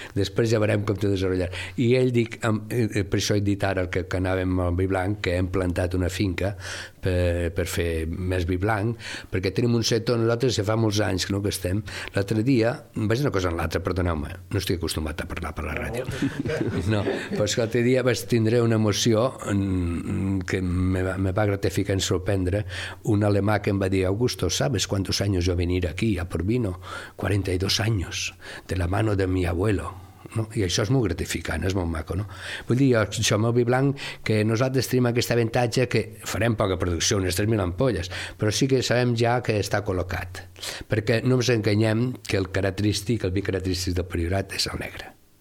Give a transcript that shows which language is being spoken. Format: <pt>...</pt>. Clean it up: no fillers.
<ca>Després ja veurem com t'ho desenvolupes. I ell, dic, per això he dit ara que anàvem amb vi blanc, que hem plantat una finca per fer més vi blanc, perquè tenim un sector nosaltres ja fa molts anys, no, que estem. L'altre dia, vaig una cosa en l'altra, perdoneu-me, no estic acostumat a parlar per la ràdio. No, però és que l'altre dia vaig tindre una emoció que me va gratificar en sorprendre. Un alemà que em va dir: Augusto,</ca> <es>¿sabes cuántos años yo venir aquí a Porvino? 42 años, de la mano de mi abuelo.</es> <ca>No? I això és molt gratificant, és molt maco, no? Vull dir, això, el meu vi blanc, que nosaltres tenim aquest avantatge que farem poca producció, unes 3.000 ampolles, però sí que sabem ja que està col·locat, perquè no ens enganyem que el vi característic del Priorat és el negre.</ca>